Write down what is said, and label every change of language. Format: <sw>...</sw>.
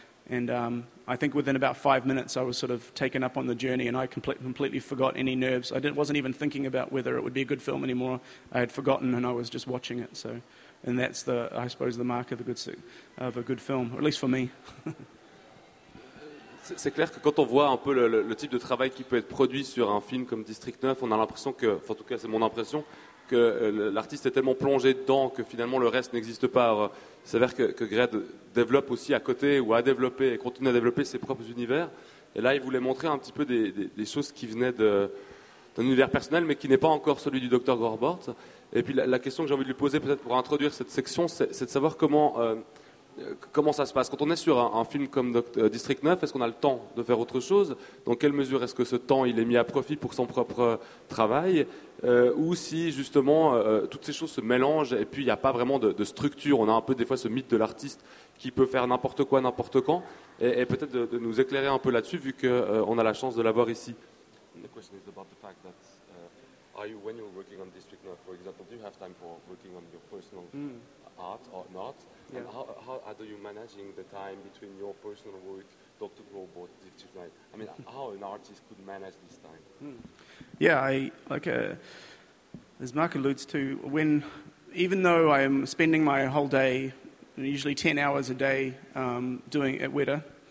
<en>And I think within about 5 minutes, I was sort of taken up on the journey, and I completely forgot any nerves. I wasn't even thinking about whether it would be a good film anymore. I had forgotten, and I was just watching it. So, and that's the, I suppose, the mark of a good film, or at least for me.</en> <fr>C'est clair que quand on voit un peu le type de travail qui peut être produit sur un film comme District 9, on a l'impression que, enfin, en tout cas, c'est mon impression, que l'artiste est tellement plongé dedans que finalement le reste n'existe pas. Alors, il s'avère que Greg développe aussi à côté ou a développé et continue à développer ses propres univers. Et là, il voulait montrer un petit peu des choses qui venaient d'un univers personnel, mais qui n'est pas encore celui du Dr. Gorbort. Et puis la question que j'ai envie de lui poser, peut-être pour introduire cette section, c'est de savoir comment ça se passe. Quand on est sur un film comme District 9, est-ce qu'on a le temps de faire autre chose? Dans quelle mesure est-ce que ce temps il est mis à profit pour son propre travail? Ou si justement toutes ces choses se mélangent et puis il n'y a pas vraiment de structure. On a un peu des fois ce mythe de l'artiste qui peut faire n'importe quoi, n'importe quand. Et peut-être de nous éclairer un peu là-dessus vu qu'on a la chance de l'avoir ici. La question est sur le fait que quand vous travaillez sur District 9, par exemple, avez-vous le temps pour travailler sur votre personnel art ou pas?</fr> <en>Yeah. And how are you managing the time between your personal work, Dr. Gorbort, District 9? I mean, how an artist could manage this time? Yeah, as Mark alludes to, when even though I am spending my whole day, usually 10 hours a day, doing at Weta,</en>